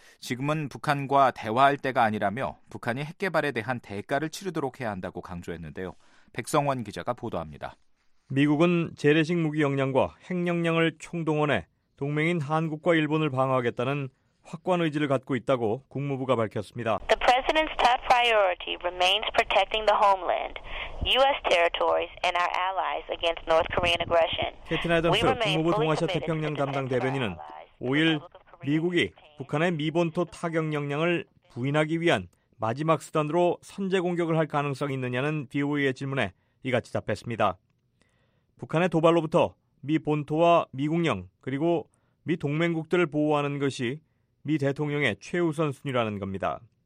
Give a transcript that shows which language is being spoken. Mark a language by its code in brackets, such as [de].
[ko] 지금은 북한과 대화할 때가 아니라며 북한이 핵 개발에 대한 대가를 치르도록 해야 한다고 강조했는데요. 백성원 기자가 보도합니다. 미국은 재래식 무기 역량과 핵 역량을 총동원해 동맹인 한국과 일본을 방어하겠다는 확고한 의지를 갖고 있다고 국무부가 밝혔습니다. [en] The president's top priority remains protecting the homeland, U.S. territories and our allies against North Korean aggression. [ko] 캐티 나이던스 국무부 동아시아 태평양 담당 대변인은 5일 미국이 북한의 미본토 타격 역량을 부인하기 위한 마지막 수단으로 선제 공격을 할 가능성이 있느냐는 DOE의 질문에 이같이 답했습니다. 북한의 도발로부터 미 본토와 미국령 그리고 미 동맹국들을 보호하는 것이 미 대통령의 최우선순위라는 겁니다.